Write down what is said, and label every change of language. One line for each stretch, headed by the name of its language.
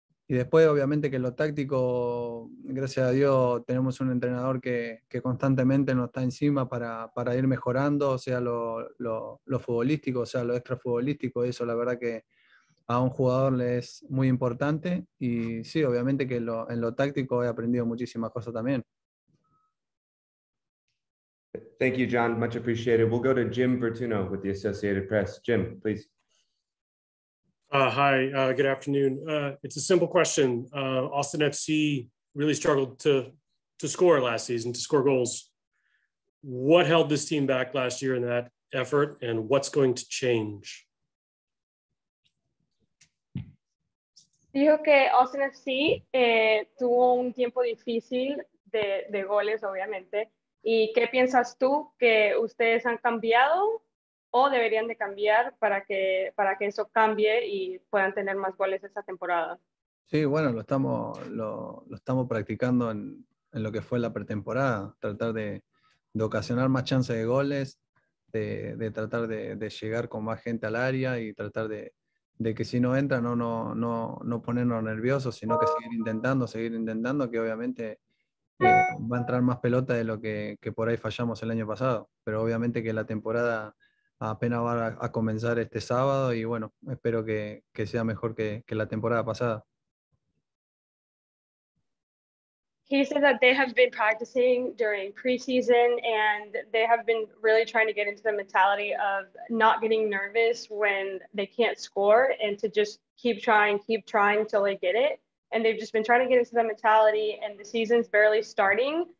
Spanish: Y después, obviamente, que lo táctico, gracias a Dios, tenemos un entrenador que constantemente nos está encima para ir mejorando, sea lo futbolístico, sea lo extrafutbolístico. Eso, la verdad que a un jugador le es muy importante. Y sí, obviamente que en lo táctico he aprendido muchísimas cosas también.
English: Thank you, John. Much appreciated. We'll go to Jim Bertuno with the Associated Press. Jim, please. Hi, good afternoon. It's a simple question. Austin FC really struggled to score last season, to score goals. What held this team back last year in that effort, and what's going to change?
Spanish: Dijo que Austin FC tuvo un tiempo difícil de goles, obviamente. ¿Y qué piensas tú que ustedes han cambiado o deberían de cambiar para que eso cambie y puedan tener más goles esa temporada? Sí, bueno, lo estamos practicando en lo que fue la pretemporada, tratar de ocasionar más chances de goles, de tratar de llegar con más gente al área y tratar de que si no entra no ponernos nerviosos, sino que seguir intentando, que obviamente va a entrar más pelota de lo que por ahí fallamos el año pasado. Pero obviamente que la temporada apenas va a comenzar este sábado y bueno, espero que sea mejor que la temporada pasada.
English: he said that they have been practicing during preseason and they have been really trying to get into the mentality of not getting nervous when they can't score and to just keep trying till they get it. And they've just been trying to get into the mentality and the season's barely starting.